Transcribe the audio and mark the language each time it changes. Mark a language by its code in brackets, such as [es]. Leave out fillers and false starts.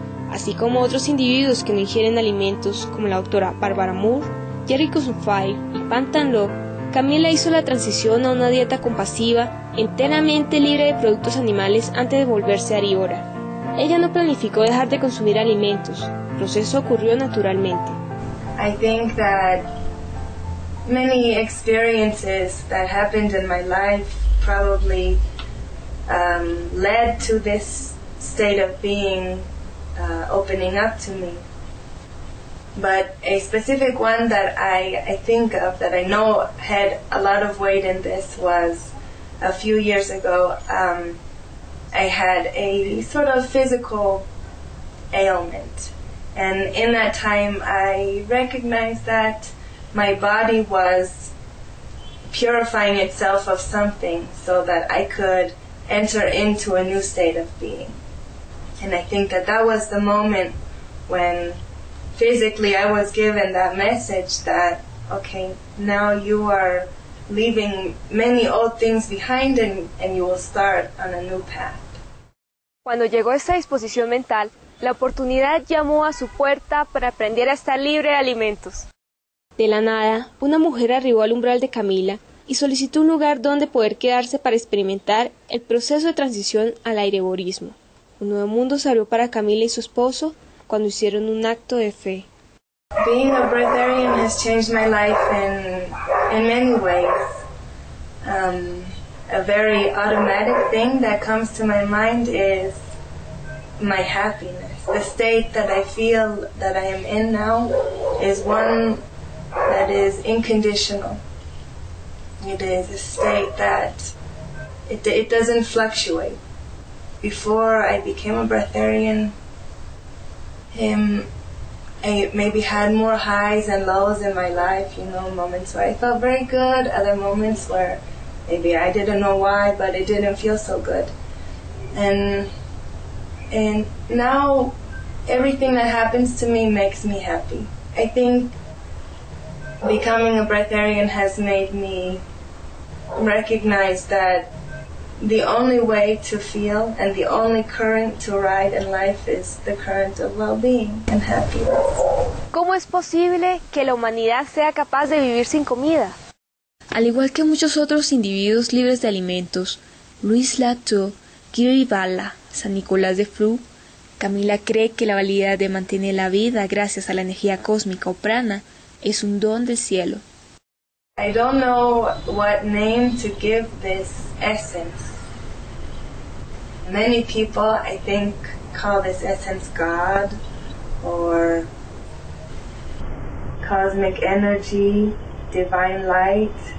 [es] Así como otros individuos que no ingieren alimentos como la doctora Barbara Moore, Jerry Kusufai y Pan Tan Lok, Camila hizo la transición a una dieta compasiva enteramente libre de productos animales antes de volverse aeríbora. Ella no planificó dejar de consumir alimentos, el proceso ocurrió naturalmente. [en] I think that many experiences that happened in my life probably led to this state of being opening up to me. But a specific one that I think of that I know had a lot of weight in this was a few years ago. I had a sort of physical ailment. And in that time, I recognized that my body was purifying itself of something so that I could enter into a new state of being. And I think that that was the moment when physically I was given that message that, okay, now you are leaving many old things behind and you will start on a new path. [es] Cuando llegó esta disposición mental, la oportunidad llamó a su puerta para aprender a estar libre de alimentos. De la nada, una mujer arribó al umbral de Camila y solicitó un lugar donde poder quedarse para experimentar el proceso de transición al aireborismo. Un nuevo mundo se abrió para Camila y su esposo cuando hicieron un acto de fe. [en] Being a breatharian has changed my life in many ways. A very automatic thing that comes to my mind is my happiness. The state that I feel that I am in now is one that is unconditional. It is a state that it doesn't fluctuate. Before I became a breatharian, I maybe had more highs and lows in my life, you know, moments where I felt very good, other moments where maybe I didn't know why, but it didn't feel so good. And now everything that happens to me makes me happy. I think becoming a breatharian has made me recognize that the only way to feel and the only current to ride in life is the current of well-being and happiness. [es] ¿Cómo es posible que la humanidad sea capaz de vivir sin comida? Al igual que muchos otros individuos libres de alimentos, Luis Lato, Giri Bala, San Nicolás de Fru, Camila cree que la habilidad de mantener la vida gracias a la energía cósmica o prana es un don del cielo. [en] I don't know what name to give this essence. Many people, I think, call this essence God or cosmic energy, divine light.